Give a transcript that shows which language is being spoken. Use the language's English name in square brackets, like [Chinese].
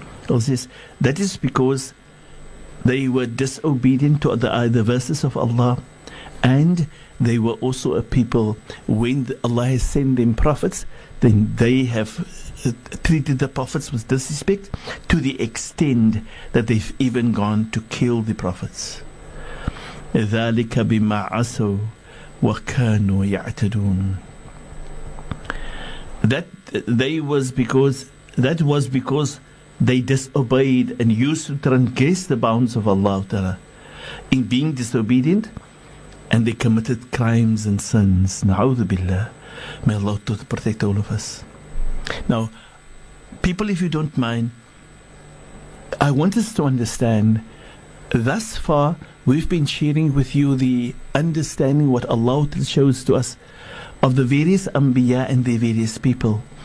[English] Allah says, that is because they were disobedient to the verses of Allah, and they were also a people, when Allah has sent them prophets, then they have treated the prophets with disrespect to the extent that they've even gone to kill the prophets. [Arabic] ذلك بما عصوا وكانوا يعتدون. [English] That was because they disobeyed and used to transgress the bounds of Allah Ta'ala in being disobedient, and they committed crimes and sins. Na'udhu billah. May Allah protect all of us. Now, people, if you don't mind, I want us to understand, thus far we've been sharing with you the understanding what Allah shows to us of the various Anbiya and the various people.